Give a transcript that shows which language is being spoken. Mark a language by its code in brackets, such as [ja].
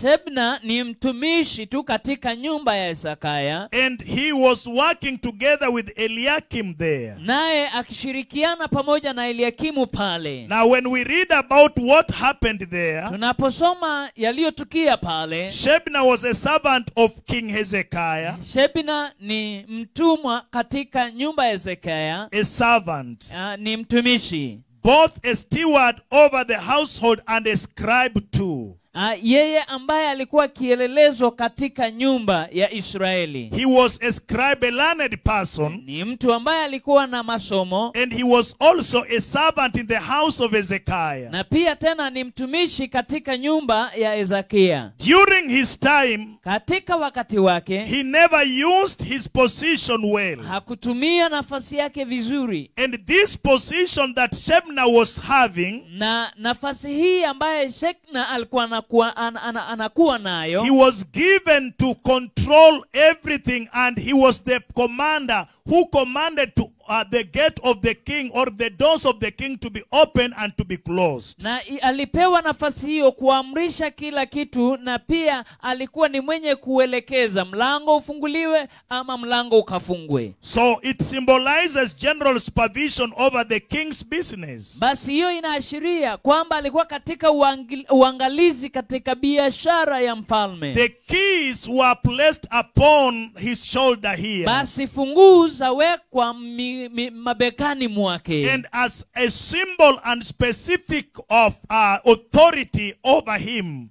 [sw] Shebna ni mtumishi tu katika nyumba ya Hezekiah. [en] And he was working together with Eliakim there. [sw] Naye akishirikiana pamoja na Eliakimu pale. [en] Now when we read about what happened there, [sw] tunaposoma yaliyotukia pale, [en] Shebna was a servant of King Hezekiah. [sw] Shebna ni mtumwa katika nyumba ya Hezekiah. [en] A servant. [sw] Ni mtumishi. [en] Both a steward over the household and a scribe too. [sw] Yeye ambaye alikuwa kielelezo katika nyumba ya Israeli. [en] He was a scribe, a learned person. [sw] Ni mtu ambaye alikuwa na masomo. [en] And he was also a servant in the house of Hezekiah. [sw] Na pia tena ni mtumishi katika nyumba ya Hezekiah. [en] During his time, [sw] katika wakati wake, [en] he never used his position well. [sw] Hakutumia nafasi yake vizuri. [en] And this position that Shebna was having, [sw] na nafasi hii ambaye Shebna alikuwa anakuwa nayo, [en] he was given to control everything and he was the commander who commanded to the gate of the king or the doors of the king to be open and to be closed. [sw] Na alipewa nafasi hiyo kuamrisha kila kitu na pia alikuwa ni mwenye kuelekeza mlango ufunguliwe ama mlango ukafungwe. [en] So it symbolizes general supervision over the king's business. [sw] Basi hiyo inaashiria kwamba alikuwa katika uangalizi katika biashara ya mfalme. [en] The keys were placed upon his shoulder here. [sw] Basi funguo zawekwa mabekani mwake. [en] And as a symbol and specific of authority over him.